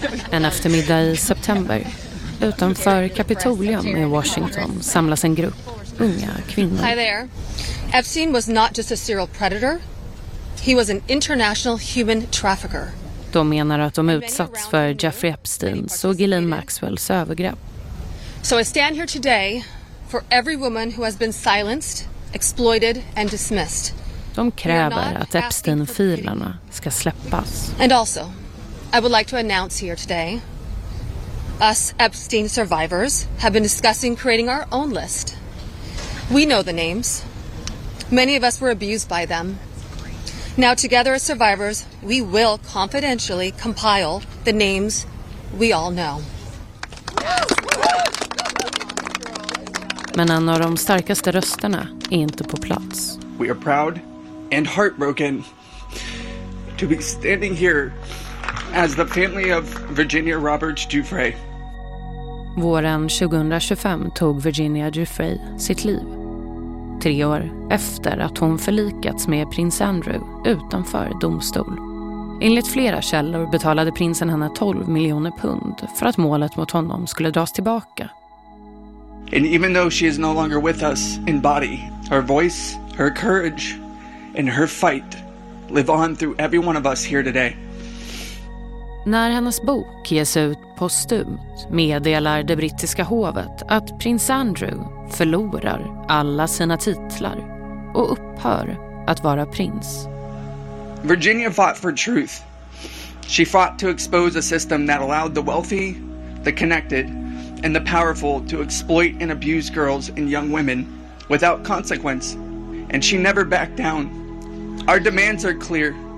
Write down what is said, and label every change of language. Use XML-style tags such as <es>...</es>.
<sv>En eftermiddag i september, utanför Kapitolium i Washington, samlas en grupp unga kvinnor.</sv> <en>Hi there. Epstein was not just a serial predator. He was an international human trafficker.</en> <sv>De menar att de utsatts för Jeffrey Epsteins och Ghislaine Maxwells övergrepp.</sv> <en>So I stand here today for every woman who has been silenced, exploited and dismissed.</en> <sv>De kräver att Epstein-filerna ska släppas.</sv> <en>And also, I would like to announce here today, us Epstein survivors have been discussing creating our own list. We know the names. Many of us were abused by them. Now together as survivors, we will confidentially compile the names we all know.</en> <sv>Men en av de starkaste rösterna är inte på plats.</sv> <en>We are proud and heartbroken to be standing here as the family of Virginia Roberts Giuffre.</en> <sv>Våren 2025 tog Virginia Giuffre sitt liv. 3 år efter att hon förlikats med prins Andrew utanför domstol. Enligt flera källor betalade prinsen henne 12 miljoner pund för att målet mot honom skulle dras tillbaka.</sv> <en>And even though she is no longer with us in body, her voice, her courage and her fight live on through every one of us here today.</en> <sv>När hennes bok ges ut postumt meddelar det brittiska hovet att prins Andrew förlorar alla sina titlar och upphör att vara prins.</sv> <en>Virginia fought for truth. She fought to expose a system that allowed the wealthy, the connected and the powerful to exploit and abuse girls and young women without consequence. And she never backed down. Our demands are clear.</en>